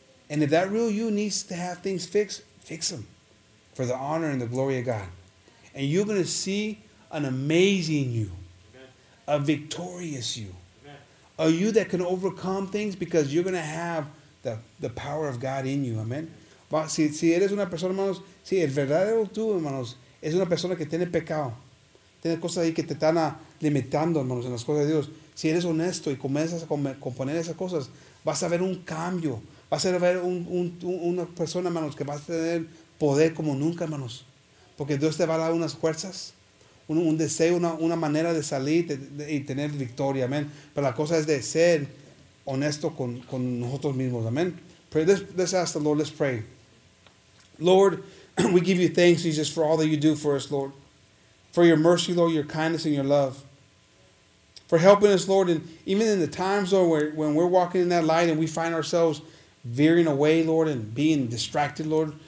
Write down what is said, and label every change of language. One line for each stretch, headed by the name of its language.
English: And if that real you needs to have things fixed, fix them for the honor and the glory of God. And you're going to see an amazing you. Amen. A victorious you. Amen. A you that can overcome things because you're going to have the power of God in you. Amen.
Spanish: Si eres una persona, hermanos, si el verdadero tú, hermanos, es una persona que tiene pecado, tiene cosas ahí que te están limitando, hermanos, en las cosas de Dios. Si eres honesto y comienzas a componer esas cosas, vas a ver un cambio. Vas a ver una persona, hermanos, que vas a tener poder como nunca, hermanos. Porque Dios te va a dar unas fuerzas, un deseo, una manera de salir y tener victoria, amén. Pero la cosa es de ser honesto con nosotros mismos, amén.
English: Let's ask the Lord, let's pray. Lord, we give you thanks, Jesus, for all that you do for us, Lord. For your mercy, Lord, your kindness and your love. For helping us, Lord, and even in the times, Lord, when we're walking in that light and we find ourselves veering away, Lord, and being distracted, Lord.